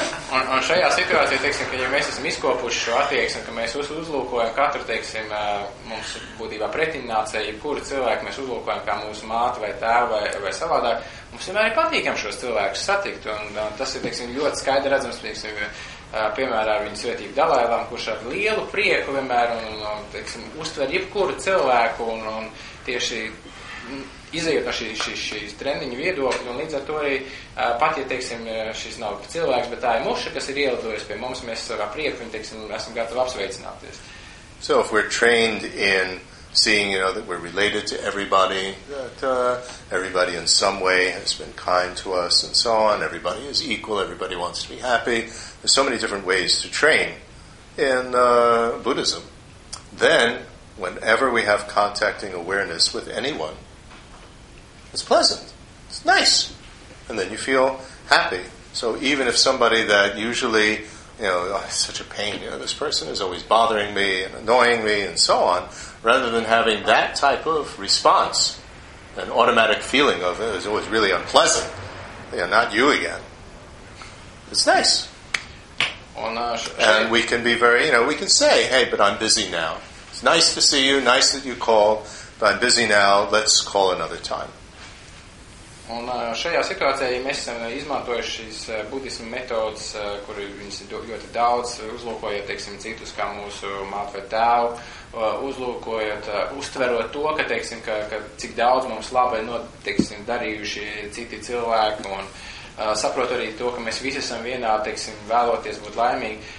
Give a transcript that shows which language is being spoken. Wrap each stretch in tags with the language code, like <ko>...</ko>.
<lv>Un šajā situācijā, teiksim, ka ja mēs esam izkopuši šo attieksmi, ka mēs uzlūkojam katru, teiksim, mums būtībā pretinācēju, jebkuru cilvēku mēs uzlūkojam kā mūsu māti vai tēvu vai savādāk, mums vienmēr ir patīkam šos cilvēkus satikt, un tas ir, teiksim, ļoti skaidri redzams, teiksim, piemēram, ar viņu svētību dalēlām, kurš ar lielu prieku vienmēr, teiksim, uztver jebkuru cilvēku, un tieši izejot no šīs treniņu viedokļu, un līdz ar to arī, pat, ja, teiksim, šis nav cilvēks, bet tā ir muša, kas ir ielidojis pie mums, mēs savā prieku, teiksim, esam gatavi apsveicināties.</lv> <en>So, if we're trained in seeing, you know, that we're related to everybody, that everybody in some way has been kind to us, and so on, everybody is equal, everybody wants to be happy, there's so many different ways to train in Buddhism. Then, whenever we have contacting awareness with anyone, it's pleasant. It's nice. And then you feel happy. So even if somebody that usually, you know, oh, it's such a pain, you know, this person is always bothering me and annoying me and so on, rather than having that type of response, an automatic feeling of it. It was really unpleasant. Yeah, not you again. It's nice. And we can be very, you know, we can say, hey, but I'm busy now. It's nice to see you, nice that you called, but I'm busy now, let's call another time.</en> <lv>Un šajā situācijā, ja mēs esam izmantojuši šīs budismu metodes, kur viņas ir ļoti daudz, uzlūkojot, teiksim, citus, kā mūsu māti vai tēvu, uzlūkojot, uztverot to, ka, teiksim, ka cik daudz mums labi ir noteiksim, darījuši citi cilvēki un saprot arī to, ka mēs visi esam vienā, teiksim, vēloties būt laimīgi.</lv>